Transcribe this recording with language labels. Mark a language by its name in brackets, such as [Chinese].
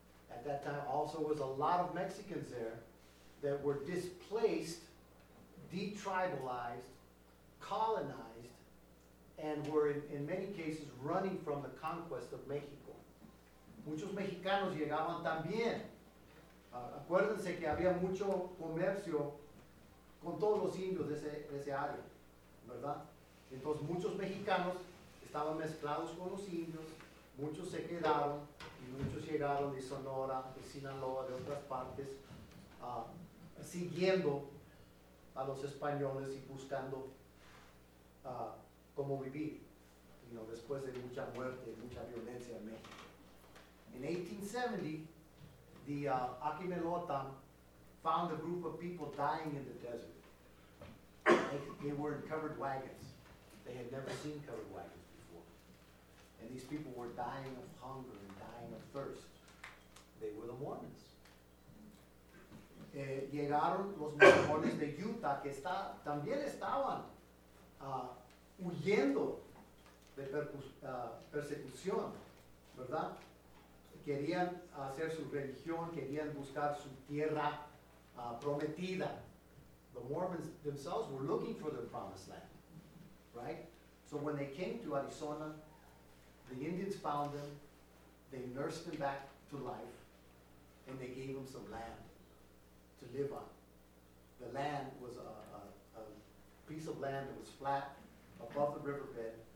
[English] At that time, also was a lot of Mexicans there that were displaced, detribalized, colonized, and were in many cases running from the conquest of Mexico. [Spanish] Muchos mexicanos llegaban también. Acuérdense que había mucho comercio con todos los indios de ese área. ¿verdad? Entonces muchos mexicanos estaban mezclados con los indios, muchos se quedaron y muchos llegaron de Sonora, de Sinaloa, de otras partes, siguiendo a los españoles y buscando cómo vivir, [English] you know, [Spanish] después de mucha muerte, mucha violencia en México. [English] In 1870, the Akimelotan found a group of people dying in the desert. They were in covered wagons. They had never seen covered wagons before. And these people were dying of hunger and dying of thirst. They were the Mormons. [Spanish] Llegaron los mormones de Utah, que también estaban huyendo de persecución, ¿verdad? Querían hacer su religión, querían buscar su tierra prometida. [English] The Mormons themselves were looking for their promised land, right? So when they came to Arizona, the Indians found them, they nursed them back to life, and they gave them some land to live on. The land was a piece of land that was flat above the riverbed.